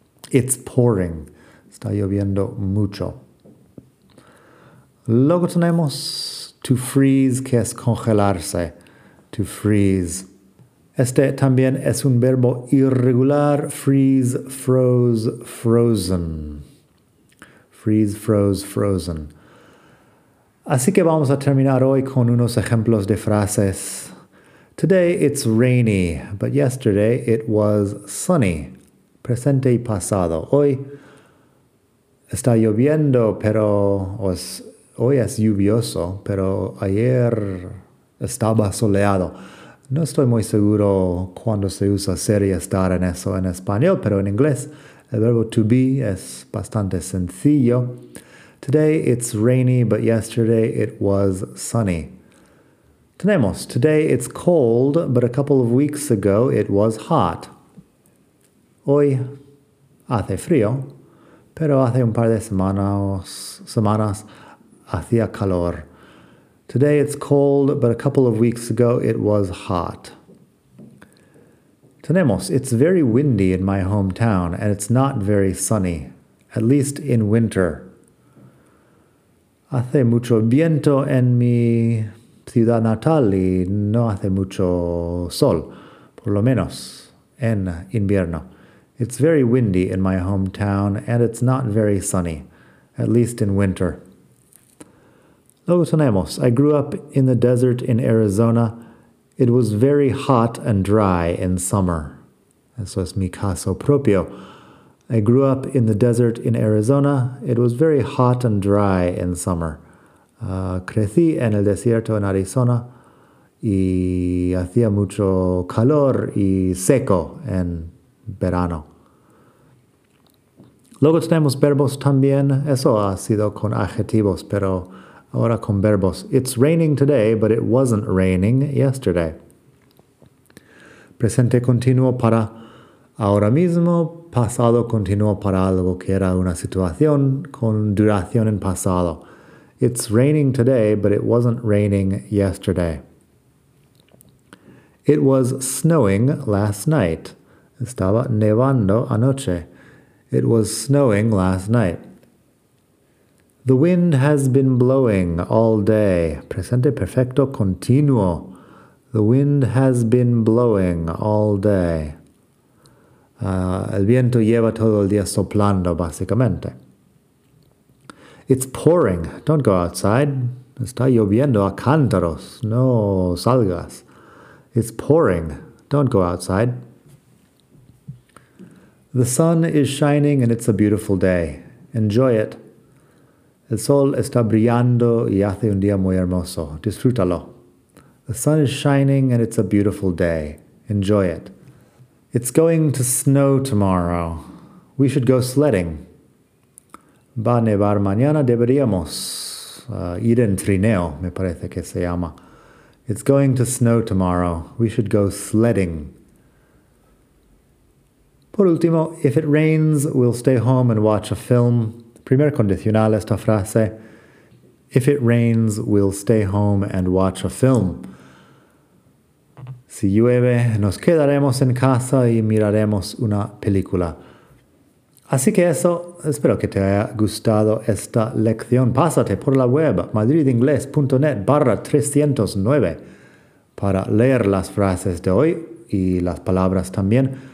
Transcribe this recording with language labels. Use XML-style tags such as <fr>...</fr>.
<en>It's pouring.</en> <es>Está lloviendo mucho. Luego tenemos to freeze, que es congelarse. To freeze. Este también es un verbo irregular.</es> <en>Freeze, froze, frozen. Freeze, froze, frozen.</en> <es>Así que vamos a terminar hoy con unos ejemplos de frases.</es> <en>Today it's rainy, but yesterday it was sunny.</en> <es>Presente y pasado. Hoy está lloviendo, pero hoy es lluvioso, pero ayer estaba soleado. No estoy muy seguro cuándo se usa ser y estar en eso en español, pero en inglés el verbo to be es bastante sencillo.</es> <en>Today it's rainy, but yesterday it was sunny.</en> <es>Tenemos,</es> <en>today it's cold, but a couple of weeks ago it was hot.</en> <es>Hoy hace frío, pero hace un par de semanas hacía calor.</es> <en>Today it's cold, but a couple of weeks ago it was hot.</en> <es>Tenemos,</es> <en>it's very windy in my hometown, and it's not very sunny, at least in winter.</en> <es>Hace mucho viento en mi ciudad natal y no hace mucho sol, por lo menos en invierno.</es> <en>It's very windy in my hometown, and it's not very sunny, at least in winter.</en> <es>Luego tenemos,</es> <en>I grew up in the desert in Arizona. It was very hot and dry in summer.</en> <es>Eso es mi caso propio.</es> <en>I grew up in the desert in Arizona. It was very hot and dry in summer.</en> <es>Crecí en el desierto en Arizona y hacía mucho calor y seco en verano. Luego tenemos verbos también. Eso ha sido con adjetivos, pero ahora con verbos.</es> <en>It's raining today, but it wasn't raining yesterday.</en> <es>Presente continuo para ahora mismo. Pasado continuo para algo que era una situación con duración en pasado.</es> <en>It's raining today, but it wasn't raining yesterday. It was snowing last night.</en> <es>Estaba nevando anoche.</es> <en>It was snowing last night. The wind has been blowing all day.</en> <es>Presente perfecto continuo.</es> <en>The wind has been blowing all day.</en> <es>El viento lleva todo el día soplando, básicamente.</es> <en>It's pouring. Don't go outside.</en> <es>Está lloviendo a cántaros. No salgas.</es> <en>It's pouring. Don't go outside. The sun is shining and it's a beautiful day. Enjoy it.</en> <es>El sol está brillando y hace un día muy hermoso. Disfrútalo.</es> <en>The sun is shining and it's a beautiful day. Enjoy it. It's going to snow tomorrow. We should go sledding.</en> <es>Va a nevar mañana, deberíamos ir en trineo, me parece que se llama.</es> <en>It's going to snow tomorrow. We should go sledding.</en> <es>Por último,</es> <en>if it rains, we'll stay home and watch a film.</en> <es>Primer condicional esta frase.</es> <en>If it rains, we'll stay home and watch a film.</en> <es>Si llueve, nos quedaremos en casa y miraremos una película. Así que eso, espero que te haya gustado esta lección. Pásate por la web madridingles.net/309 para leer las frases de hoy y las palabras también.</es>